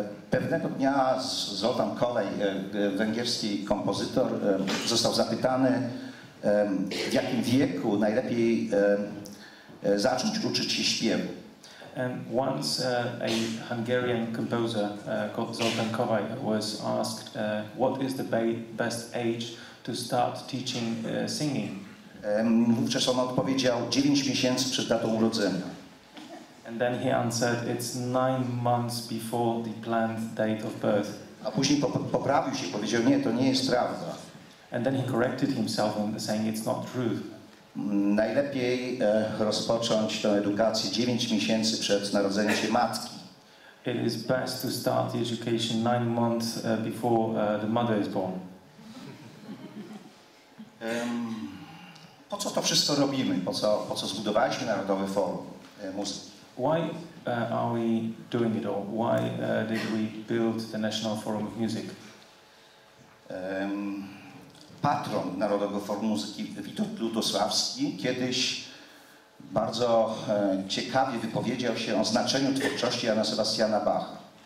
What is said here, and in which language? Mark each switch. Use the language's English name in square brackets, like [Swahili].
[Polish] Pewnego dnia Zoltán Kolej, węgierski kompozytor, został zapytany, w jakim wieku najlepiej zacząć uczyć się śpiewu. [English] And once a Hungarian composer called Zoltán Kolej was asked what is the best age to start teaching singing. [Polish] Wówczas on odpowiedział 9 miesięcy przed datą urodzenia. [English] And then he answered, it's 9 months before the planned date of birth. [Polish] A później poprawił się, powiedział, nie, to nie jest prawda. [English] And then he corrected himself and saying, it's not true. [Polish] Najlepiej rozpocząć tę edukację 9 miesięcy przed narodzeniem się matki. [English] It is best to start the education 9 months before the mother is born. [Polish] Po co to wszystko robimy? Po co zbudowaliśmy Narodowy Forum Muzyki? [English] Why are we doing it all? Why did we build the National Forum of Music? [Polish] Patron Narodowego Forum Muzyki Witold Lutosławski kiedyś bardzo ciekawie wypowiedział się o znaczeniu twórczości Jana Sebastiana Bacha.